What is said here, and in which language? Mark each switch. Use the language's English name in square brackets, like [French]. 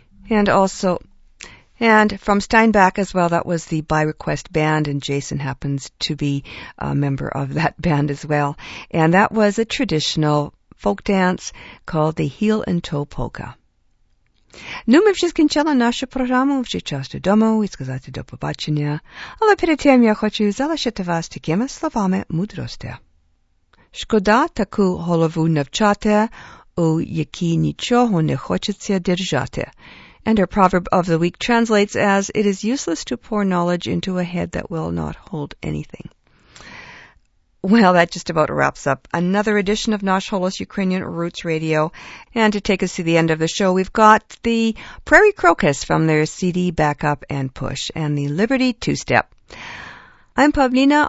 [English] And also, and from Steinbeck as well, that was the By Request Band, and Jason happens to be a member of that band as well. And that was a traditional folk dance called the Heel and Toe Polka. [Ukrainian] Ну, ми вже скінчили нашу програму, вже час додому і сказати до побачення. Але перед тим я хочу залишити вас такими словами мудрості. Шкода таку голову навчати, у якій нічого не хочеться держати. [English] And our proverb of the week translates as, it is useless to pour knowledge into a head that will not hold anything. Well, that just about wraps up another edition of Nash Holos Ukrainian Roots Radio. And to take us to the end of the show, we've got the Prairie Crocus from their CD Backup and Push and the Liberty Two-Step. I'm Pavlina.